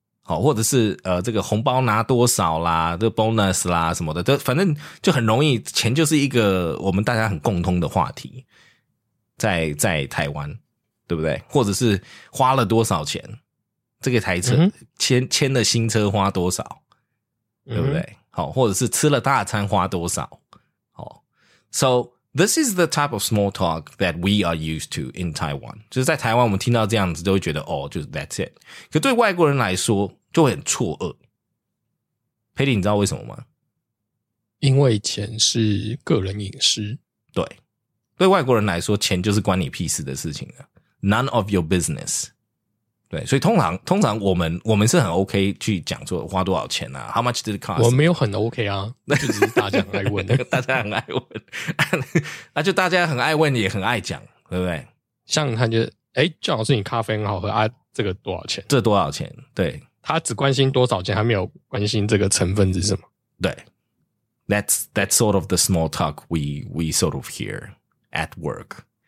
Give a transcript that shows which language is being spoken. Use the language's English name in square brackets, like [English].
[Chinese] 好，或者是这个红包拿多少啦，这个 bonus 啦什么的，都反正就很容易，钱就是一个我们大家很共通的话题。在台湾，对不对？或者是花了多少钱？这个台车签的新车花多少？对不对？好，或者是吃了大餐花多少？ [English] 好 ，So this is the type of small talk that we are used to in Taiwan. [Chinese] 就是在台湾，我们听到这样子都会觉得哦，就是 [English] that's it. [Chinese] 可对外国人来说就会很错愕。佩蒂，你知道为什么吗？因为钱是个人隐私。对。对外国人来说，钱就是关你屁事的事情了。 [English] None of your business, [Chinese] 对，所以通常我们是很 OK 去讲说花多少钱啊 ， [English] How much did it cost？ [Chinese] 我没有很 OK 啊，那就是大家很爱问，大家很爱问，那就大家很爱问也很爱讲，对不对？像他就哎，郑老师，你咖啡很好喝啊，这个多少钱？这多少钱？对，他只关心多少钱，他没有关心这个成分是什么。 [English] 对 ，That's sort of the small talk we sort of hear at work.